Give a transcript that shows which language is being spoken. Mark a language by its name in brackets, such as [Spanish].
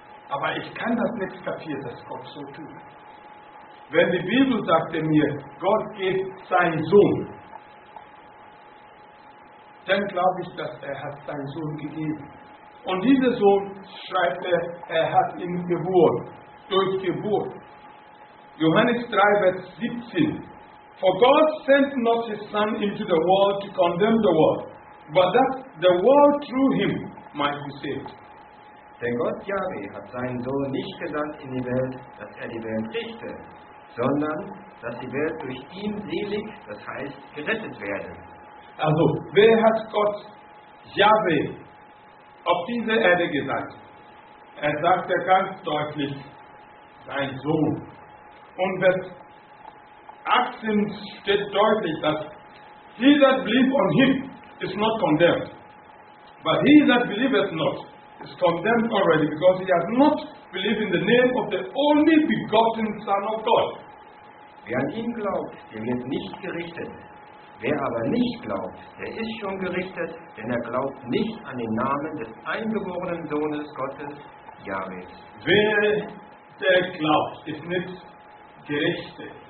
[German] Aber ich kann das nicht kapieren, dass Gott so tut. Wenn die Bibel sagte mir, Gott gibt seinen Sohn, dann glaube ich, dass er hat seinen Sohn gegeben. Und dieser Sohn, schreibt er hat ihn geboren, durch Geburt. Johannes 3, Vers 17. [English] For God sent not his Son into the world to condemn the world, but that the world through him might be saved. [German] Denn Gott Jahwe hat seinen Sohn nicht gesandt in die Welt, dass er die Welt richte, sondern dass die Welt durch ihn selig, das heißt gerettet werde. Also, wer hat Gott Jahwe auf diese Erde gesandt? Er sagte ganz deutlich, sein Sohn. Und Vers 18 steht deutlich, dass [English] he that believeth on him is not condemned, but he that believeth not is condemned already, because he has not believed in the name of the only begotten Son of God. [German] Wer an ihn glaubt, der wird nicht gerichtet. Wer aber nicht glaubt, der ist schon gerichtet, denn er glaubt nicht an den Namen des eingeborenen Sohnes Gottes, Jahwe. Wer der glaubt, ist nicht gerichtet.